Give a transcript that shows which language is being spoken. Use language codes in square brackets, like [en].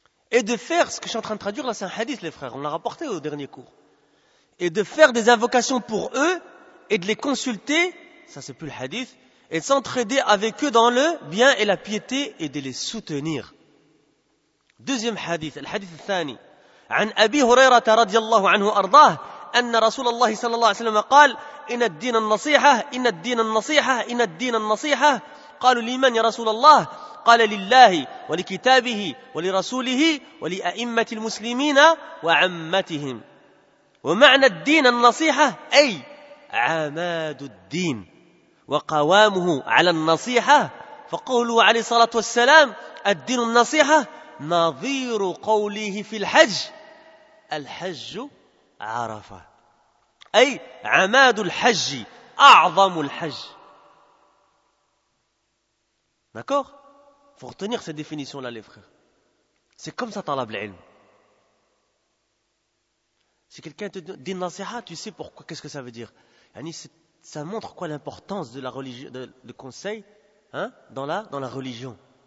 [fr] Et de faire, ce que je suis en train de traduire là, c'est un hadith les frères, on l'a rapporté au dernier cours. Et de faire des invocations pour eux, et de les consulter, ça c'est plus le hadith, et de s'entraider avec eux dans le bien et la piété, et de les soutenir. Deuxième hadith, le hadith thani. [ar] عن أبي هريرة رضي الله عنه أرضاه أن رسول الله صلى الله عليه وسلم قال إن الدين النصيحة إن الدين النصيحة إن الدين النصيحة قالوا لمن يا رسول الله قال لله ولكتابه ولرسوله ولأئمة المسلمين وعمتهم ومعنى الدين النصيحة أي عماد الدين وقوامه على النصيحة فقوله عليه الصلاة والسلام الدين النصيحة نظير قوله في الحج الحج عرفة أي عماد الحج أعظم الحج. [fr] D'accord ? Il faut retenir cette définition-là, les frères. C'est comme ça, talab l'ilm. Si quelqu'un te dit une nasiha, tu sais pourquoi, qu'est-ce que ça veut dire. Ça montre quoi l'importance de la religion, de conseil, hein, dans la religion.